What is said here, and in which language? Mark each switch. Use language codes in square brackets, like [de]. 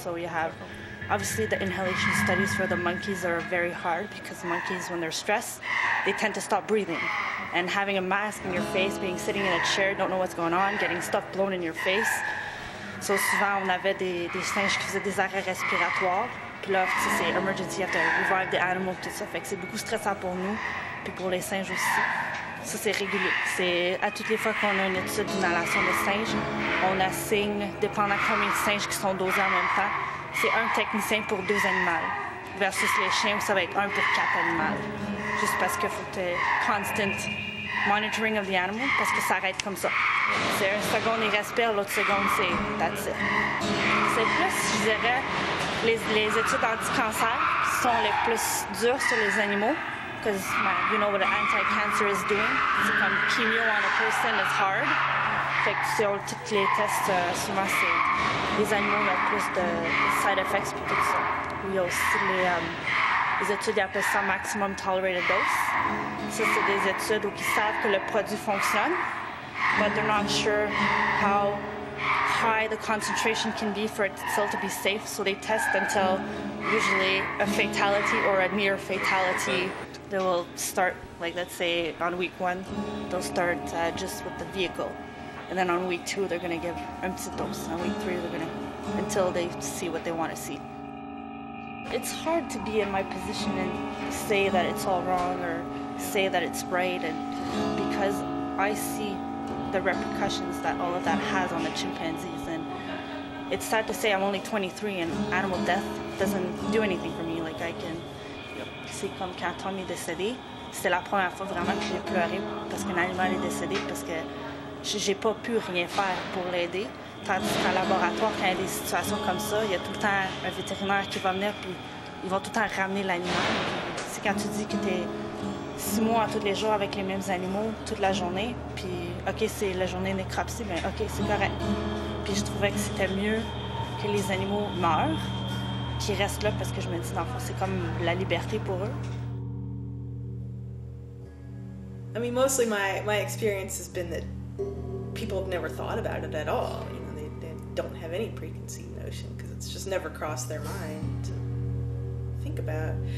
[en] So you have, obviously, the inhalation studies for the monkeys are very hard because monkeys, when they're stressed, they tend to stop breathing. And having a mask in your face, being sitting in a chair, don't know what's going on, getting stuff blown in your face. [fr] So souvent, on avait des singes qui faisaient des arrêts respiratoires. Puis là, c'est [en] emergency, you have to revive the animal, [fr] tout ça. Fait que c'est beaucoup stressant pour nous, puis pour les singes aussi. Ça, c'est régulier. C'est à toutes les fois qu'on a une étude d'inhalation de singes, on assigne, dépendant combien de singes qui sont dosés en même temps, c'est un technicien pour deux animaux. Versus les chiens, où ça va être un pour quatre animaux. Juste parce qu'il faut être [en] constant monitoring of the animal, [fr] parce que ça arrête comme ça. C'est une seconde, il respire, l'autre seconde, c'est [en] that's it. [fr] C'est plus, je dirais, les études anti-cancer sont les plus dures sur les animaux. [en] Because you know what an anti-cancer is doing. [fr] C'est comme [en] chemo on a person, it's hard. [fr] Fait que sur tous les tests, souvent, c'est les animaux ont plus de side effects et tout ça. Il y a aussi les études qui appellent ça maximum tolerated dose. Ça, c'est des études où ils savent que le produit fonctionne, [en] but they're not sure how high the concentration can be for it still to be safe. So they test until usually a fatality or a near fatality. They will start, like let's say on week one, they'll start just with the vehicle. And then on week two, they're going to give a petite dose. On week three, they're going to, until they see what they want to see. It's hard to be in my position and say that it's all wrong or say that it's right, and because I see the repercussions that all of that has on the chimpanzees, and it's sad to say I'm only 23 and animal death doesn't do anything for me. Like I can, [fr] c'est comme quand Tom est décédé, c'était la première fois vraiment que j'ai pleuré parce qu'un animal est décédé, parce que j'ai pas pu rien faire pour l'aider. Tandis qu'en laboratoire, quand il y a des situations comme ça, il y a tout le temps un vétérinaire qui va venir puis ils vont tout le temps ramener l'animal. C'est quand tu dis que tu es 6 mois à tous les jours avec les mêmes animaux toute la journée, puis OK, c'est la journée nécropsie, bien OK, c'est correct. Puis je trouvais que c'était mieux que les animaux meurent, qu'ils restent là, parce que je me dis, dans le fond, c'est comme la liberté pour eux. [en] I mean, mostly my experience has been that people have never thought about it at all. You know, they don't have any preconceived notion because it's just never crossed their mind to think about.